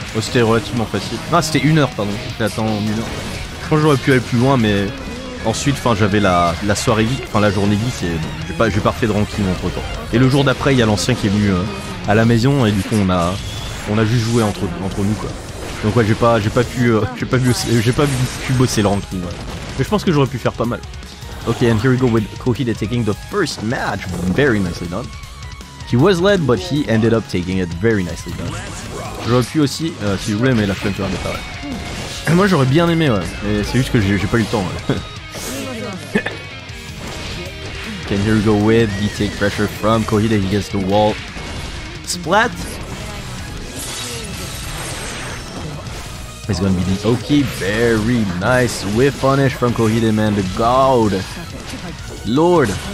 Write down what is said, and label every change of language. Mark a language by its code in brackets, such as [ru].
[fr] Oh, c'était relativement facile. Non, c'était 1 heure, pardon. J'ai atteint 1 heure. Je pense que j'aurais pu aller plus loin, mais ensuite, enfin, j'avais la soirée geek, enfin, la journée geek, et j'ai pas refait de ranking entre temps. Et le jour d'après, il y a l'ancien qui est venu à la maison, et du coup, on a juste joué entre nous, quoi. Donc ouais, j'ai pas pu bosser le ranking, ouais. Mais je pense que j'aurais pu faire pas mal. [en] Ok, and here we go with Kouhide taking the first match, very nicely done. He was led, but he ended up taking it very nicely done. [fr] J'aurais pu aussi, si vous voulez, mais la flamme tour n'est pas vrai. Moi j'aurais bien aimé, ouais, mais c'est juste que j'ai pas eu le temps, ouais. [en] Ok, and here we go with the take pressure from Kouhide, he gets the wall. Splat! It's gonna be the Oki. Very nice whiff punish from Kouhide, man. The god. Lord.